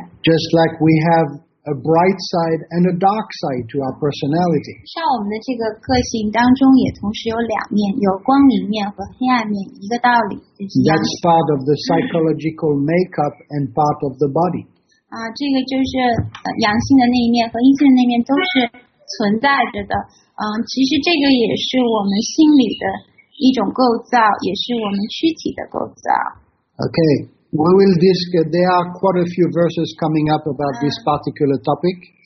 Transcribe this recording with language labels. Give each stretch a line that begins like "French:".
English: Just like we have a bright side and a dark side to our personality.
Chinese: 像我们的这个个性当中也同时有两面,有光明面和黑暗面,一个道理。
English: That's part of the psychological makeup and part of the body.
Chinese: 这个就是阳性的那一面和阴性的那一面都是 存在着的，其实这个也是我们心理的一种构造，也是我们躯体的构造。
English: Okay, we will discuss. There are quite a few verses coming up about this particular topic.